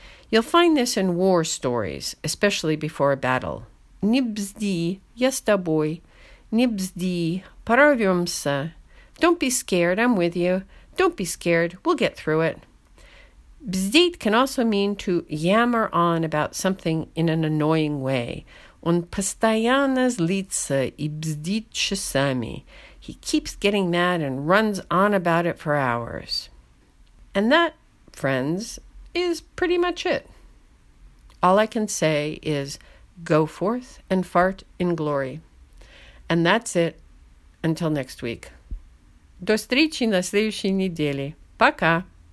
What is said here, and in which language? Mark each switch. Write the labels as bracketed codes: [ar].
[en] You'll find this in war stories, especially before a battle. [ru] «Не бзди, я с тобой», «не бзди, порвемся», [en] «don't be scared, I'm with you», «don't be scared, we'll get through it». «Бздит» can also mean to yammer on about something in an annoying way. [ru] Он постоянно злится и бздит часами. [en] He keeps getting mad and runs on about it for hours. And that, friends, is pretty much it. All I can say is go forth and fart in glory. And that's it. Until next week. [ru] До встречи на следующей неделе. Пока!